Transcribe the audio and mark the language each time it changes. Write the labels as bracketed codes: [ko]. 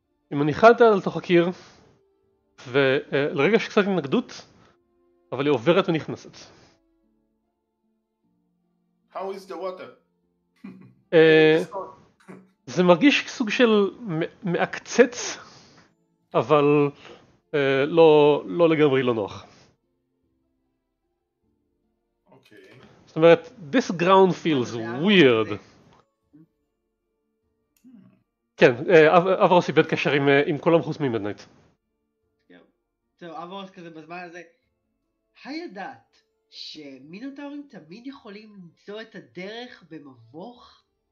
[he] היא מניחה את זה לתוך הקיר, ולרגע יש קצת התנגדות, אבל היא עוברת ונכנסת. [en] How is the water? [he] זה מרגיש סוג של מעקצץ, אבל לא, לא לגמרי לא נוח. [en] Okay. [he] זאת אומרת, [en] this ground feels weird. [he] כן, אברוס איבד קשר עם, עם כולם חוץ ממדנייט. טוב, אברוס כזה בזמן הזה. הידעת שמינוטאורים תמיד יכולים למצוא את הדרך במבוך?